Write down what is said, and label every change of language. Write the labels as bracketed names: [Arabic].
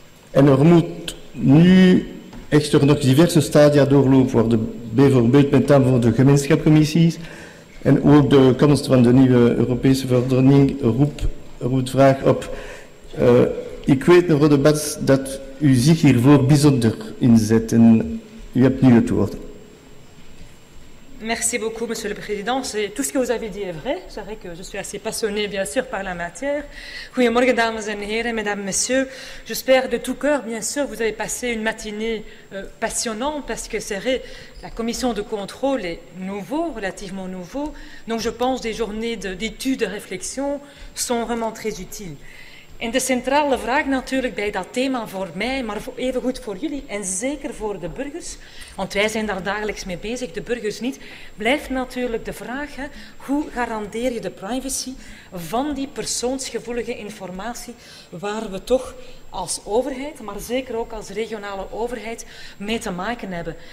[Dutch] En er moet nu echter nog diverse stadia doorlopen worden, bijvoorbeeld met name voor de gemeenschapcommissies. En ook de komst van de nieuwe Europese verordening roept vraag op. Ik weet, mevrouw de Bats, dat u zich hiervoor bijzonder inzet en u hebt nu het woord. [French] Merci beaucoup, monsieur le président. Tout ce que vous avez dit est vrai. C'est vrai que je suis assez passionnée, bien sûr, par la matière. [Dutch] Goedemorgen, dames en heren, [French] mesdames, messieurs. J'espère de tout cœur, bien sûr, que vous avez passé une matinée passionnante, parce que c'est vrai, la commission de contrôle est nouveau, relativement nouveau. Donc, je pense que des journées d'études, de réflexion sont vraiment très utiles. [Dutch] En de centrale vraag natuurlijk bij dat thema voor mij, maar evengoed voor jullie en zeker voor de burgers, want wij zijn daar dagelijks mee bezig, de burgers niet, blijft natuurlijk de vraag, hè, hoe garandeer je de privacy van die persoonsgevoelige informatie waar we toch als overheid, maar zeker ook als regionale overheid, mee te maken hebben.